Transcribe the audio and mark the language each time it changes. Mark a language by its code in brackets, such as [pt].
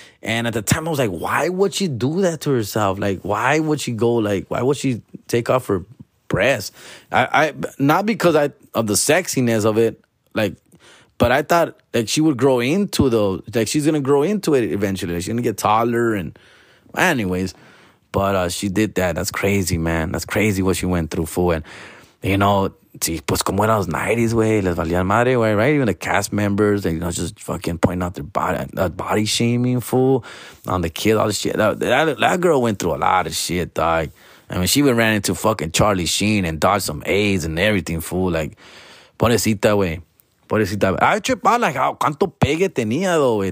[en] And at the time, I was like, why would she do that to herself? Like, why would she go, like, why would she take off her breast? I not because of the sexiness of it, like, but I thought like she would grow into the like she's gonna grow into it eventually. She's gonna get taller and anyways. But she did that. That's crazy, man. That's crazy what she went through for. And you know, [es] pues como eran los 90s, güey, les valía madre, güey, [en] right? Even the cast members, they, you know, just fucking pointing out their body, that body shaming fool on the kid, all the shit. That girl went through a lot of shit, dog. I mean, she even ran into fucking Charlie Sheen and dodged some AIDS and everything, fool. Like, [es] pobrecita, güey. Pobrecita. [en] I trip out like how [es] canto pegue tenía, [en] though, güey.